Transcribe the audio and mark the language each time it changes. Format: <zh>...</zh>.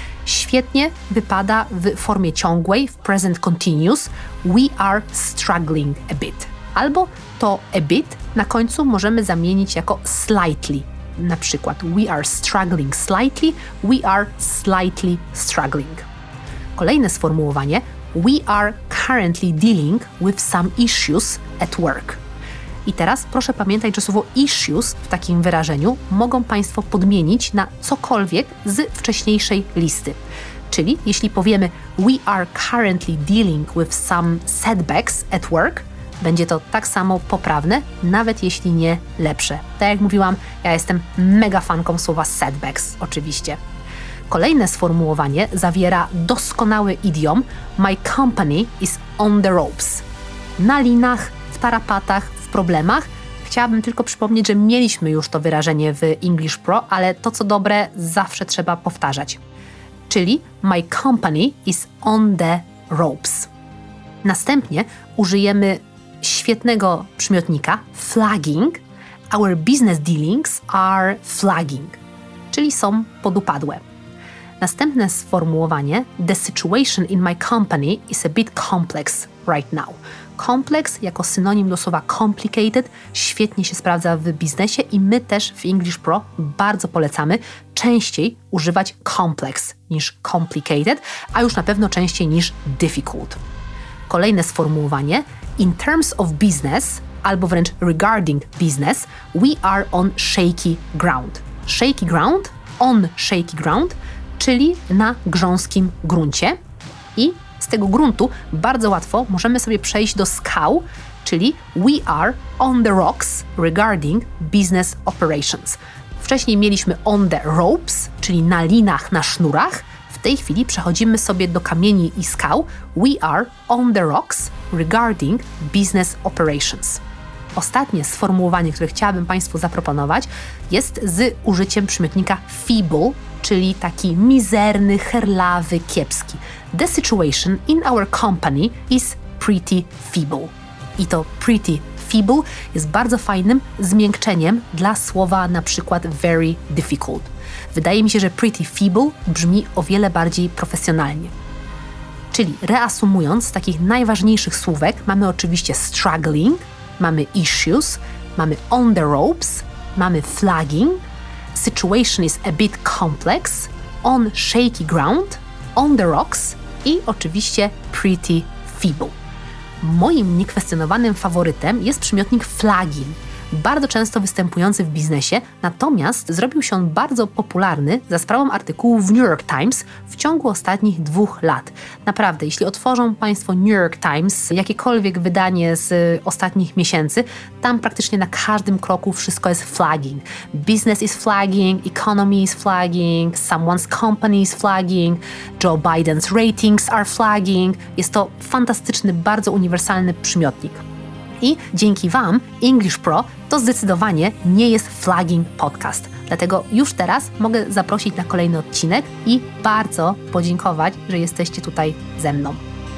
<pl>Świetnie wypada w formie ciągłej, w present continuous.</pl> <en>We are struggling a bit.</en> <pl>Albo to a bit na końcu możemy zamienić jako slightly. Na przykład</pl> <en>we are struggling slightly, we are slightly struggling.</en> <pl>Kolejne sformułowanie.</pl> <en>We are currently dealing with some issues at work.</en> <pl>I teraz proszę pamiętać, że słowo issues w takim wyrażeniu mogą Państwo podmienić na cokolwiek z wcześniejszej listy. Czyli jeśli powiemy</pl> <en>we are currently dealing with some setbacks at work,</en> <pl>będzie to tak samo poprawne, nawet jeśli nie lepsze. Tak jak mówiłam, ja jestem mega fanką słowa setbacks oczywiście. Kolejne sformułowanie zawiera doskonały idiom</pl> <en>my company is on the ropes.</en> <pl>Na linach, w tarapatach, problemach. Chciałabym tylko przypomnieć, że mieliśmy już to wyrażenie w English Pro, ale to co dobre zawsze trzeba powtarzać.</pl> <en>Czyli my company is on the ropes.</en> <pl>Następnie użyjemy świetnego przymiotnika flagging.</pl> <en>Our business dealings are flagging.</en> <pl>Czyli są podupadłe. Następne sformułowanie</pl> <en>the situation in my company is a bit complex right now.</en> <pl>Complex jako synonim do słowa complicated świetnie się sprawdza w biznesie i my też w English Pro bardzo polecamy częściej używać complex niż complicated, a już na pewno częściej niż difficult. Kolejne sformułowanie</pl> <en>in terms of business</en> <pl>albo wręcz</pl> <en>regarding business we are on shaky ground. Shaky ground, on shaky ground,</en> <pl>czyli na grząskim gruncie i z tego gruntu bardzo łatwo możemy sobie przejść do skał, czyli</pl> <en>we are on the rocks regarding business operations.</en> <pl>Wcześniej mieliśmy</pl> <en>on the ropes,</en> <pl>czyli na linach, na sznurach. W tej chwili przechodzimy sobie do kamieni i skał.</pl> <en>We are on the rocks regarding business operations.</en> <pl>Ostatnie sformułowanie, które chciałabym Państwu zaproponować, jest z użyciem przymiotnika feeble, czyli taki mizerny, herlawy, kiepski.</pl> <en>The situation in our company is pretty feeble.</en> <pl>I to pretty feeble jest bardzo fajnym zmiękczeniem dla słowa na przykład very difficult. Wydaje mi się, że pretty feeble brzmi o wiele bardziej profesjonalnie. Czyli reasumując, z takich najważniejszych słówek mamy oczywiście struggling, mamy issues, mamy on the ropes, mamy flagging, situation is a bit complex, on shaky ground, on the rocks i oczywiście pretty feeble. Moim niekwestionowanym faworytem jest przymiotnik flagging, bardzo często występujący w biznesie, natomiast zrobił się on bardzo popularny za sprawą artykułu w New York Times w ciągu ostatnich 2 lat. Naprawdę, jeśli otworzą Państwo New York Times, jakiekolwiek wydanie z ostatnich miesięcy, tam praktycznie na każdym kroku wszystko jest flagging.</pl> <en>Business is flagging, economy is flagging, someone's company is flagging, Joe Biden's ratings are flagging.</en> <pl>Jest to fantastyczny, bardzo uniwersalny przymiotnik. I dzięki Wam, English Pro, to zdecydowanie nie jest flagging podcast. Dlatego już teraz mogę zaprosić na kolejny odcinek i bardzo podziękować, że jesteście tutaj ze mną.</pl>